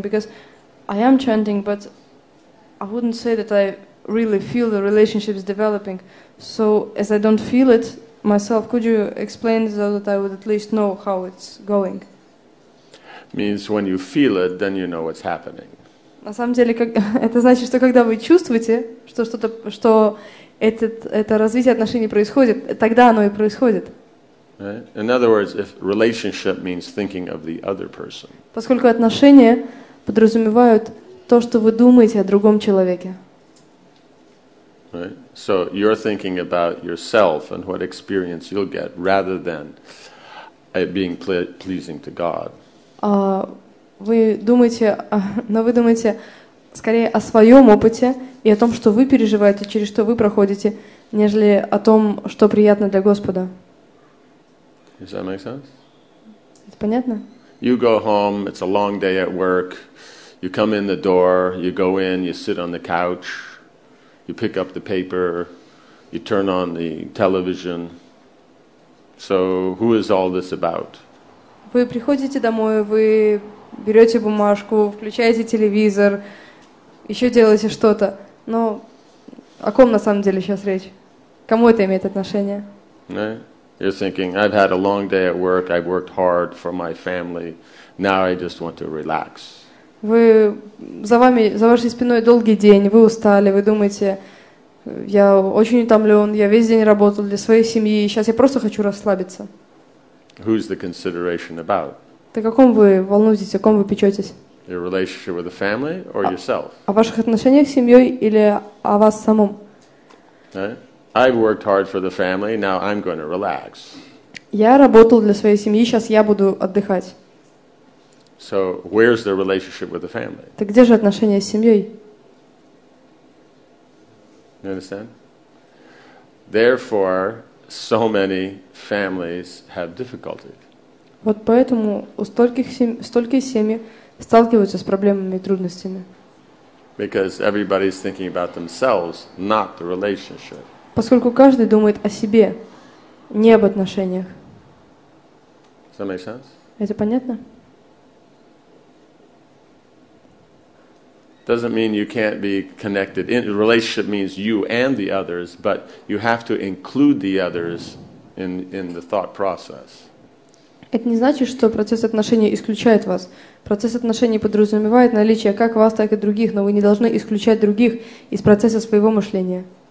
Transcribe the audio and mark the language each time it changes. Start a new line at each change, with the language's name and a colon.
English: Because I am chanting, but I wouldn't say that I really feel the relationships developing. So as I don't feel it myself, could you explain so that I would at least know how it's going? Means when you feel it, then you know what's happening.
Russian: На самом деле, это значит, что когда вы чувствуете, что что-то, что это развитие отношений происходит, тогда оно и происходит.
English: Right. In other words, if relationship means thinking of the other person.
Russian: Поскольку отношения подразумевают то, что вы думаете о другом человеке.
English: Right. So you're thinking about yourself and what experience you'll get, rather than it being pleasing to God.
Russian: Вы думаете скорее о своем опыте и о том, что вы переживаете, через что вы проходите, нежели о том, что приятно для Господа.
English: Does that make sense?
Russian: Это понятно?
English: You go home, it's a long day at work, you come in the door, you go in, you sit on the couch, you pick up the paper, you turn on the television. So who is all this about?
Russian: Вы приходите домой, вы берете бумажку, включаете телевизор, еще делаете что-то. Но о ком на самом деле сейчас речь? Кому это имеет отношение?
English: You're thinking, I've had a long day at work, I've worked hard for my family, now I just want to relax.
Russian: Вы за вами, за вашей спиной долгий день, вы устали, вы думаете, я очень утомлен, я весь день работал для своей семьи, сейчас я просто хочу расслабиться.
English: Who's the consideration about?
Russian: Так о ком вы волнуетесь, о ком вы печетесь?
English: Your relationship with the family or yourself?
Russian: О ваших отношениях с семьей или о вас самом?
English: I've worked hard for the family, now I'm going to relax.
Russian: Я работал для своей семьи, сейчас я буду отдыхать.
English: So where's the relationship with the family?
Russian: Так где же отношения с семьей?
English: You understand? Therefore, so many families have difficulty.
Russian: Вот поэтому у стольких семей сталкиваются с проблемами и трудностями.
English: Because everybody's thinking about themselves, not the relationship.
Russian: Поскольку каждый думает о себе, не об отношениях.
English: Does that make sense?
Russian: Это понятно?
English: Doesn't mean you can't be connected. In, relationship means you and the others, but you have to include the others in the thought process.
Russian: Это не значит, что процесс отношений исключает вас. Процесс отношений подразумевает наличие как вас, так и других, но вы не должны исключать других из процесса своего мышления.